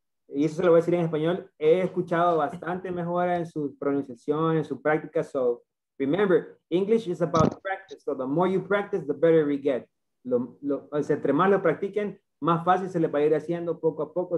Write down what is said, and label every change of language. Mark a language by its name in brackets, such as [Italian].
[Spanish] Y eso se lo voy a decir en español. He escuchado bastante mejora en su pronunciación, en su práctica. [English] So, remember, English is about practice. So, the more you practice, the better we get. [Spanish] Entre más lo practiquen, más fácil se les va a ir haciendo poco a poco.